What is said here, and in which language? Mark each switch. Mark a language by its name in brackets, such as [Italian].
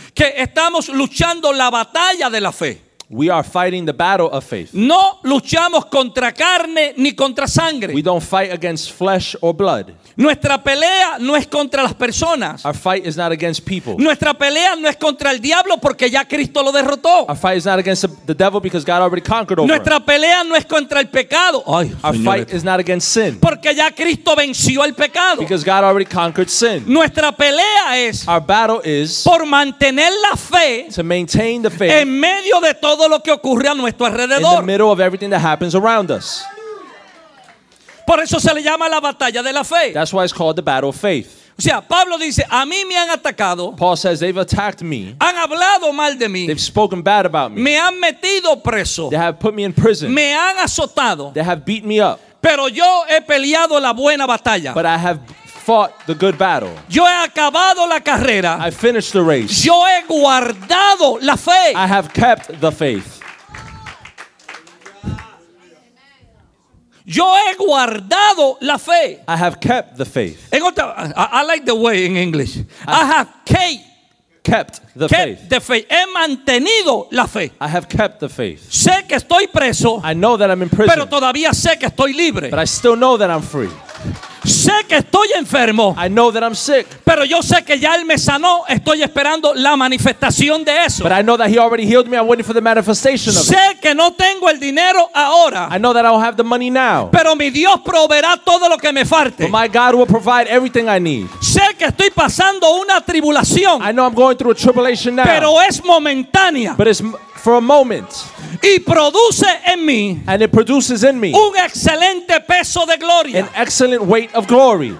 [Spanish] que estamos luchando la batalla de la fe. [English] We are fighting the battle of faith. [Spanish] No luchamos contra carne ni contra sangre. [English] We don't fight against flesh or blood. [Spanish] Nuestra pelea no es contra las personas. [English] Our fight is not against people. [Spanish] Nuestra pelea no es contra el diablo porque ya Cristo lo derrotó. [English] Our fight is not against the devil because God already conquered over. [Spanish] Nuestra pelea no es contra el pecado. [English] Ay, our fight is not against sin. [Spanish] Porque ya Cristo venció el pecado. [English] Because God already conquered sin. [Spanish] Nuestra pelea es [English] our battle is [Spanish] por mantener la fe [English] to maintain the faith [Spanish] en medio de todo lo que ocurre a nuestro alrededor. [English] In the middle of everything that happens around us. [Spanish] Por eso se le llama la batalla de la fe. [English] That's why it's called the battle of faith. [Spanish] O sea, Pablo dice, a mí me han atacado. [English] Paul says, they've attacked me. [Spanish] Han hablado mal de mí. [English] They've spoken bad about me. [Spanish] Me han metido preso. [English] They have put me in prison. [Spanish] Me han azotado. [English] They have beat me up. [Spanish] Pero yo he peleado la buena batalla. [English] But I have fought the good battle. [Spanish] Yo he acabado la carrera. [English] I finished the race. [Spanish] Yo he guardado la fe. [English] I have kept the faith. [Spanish] Yo he guardado la fe. [English] I have kept the faith. [Spanish] En otra, [English] I like the way in English. I have kept the kept faith. The faith. [Spanish] He mantenido la fe. [English] I have kept the faith. [Spanish] Sé que estoy preso. [English] I know that I'm in prison. [Spanish] Pero todavía sé que estoy libre. [English] But I still know that I'm free. [Spanish] Sé que estoy enfermo. I know that I'm sick. Pero yo sé que ya él me sanó. Estoy esperando la manifestación de eso. [English] But I know that he already healed me. I'm waiting for the manifestation of it. [Spanish] Sé que no tengo el dinero ahora. [English] I know that I don't have the money now. [Spanish] Pero mi Dios proveerá todo lo que me falte. [English] But my God will provide everything I need. [Spanish] Sé que estoy pasando una tribulación. [English] I know I'm going through a tribulation now. [Spanish] Pero es momentánea. [English] But it's for a moment. [Spanish] Y produce en mí. [English] And it produces in me. [Spanish] Un excelente peso de gloria. [English] An excellent weight of glory.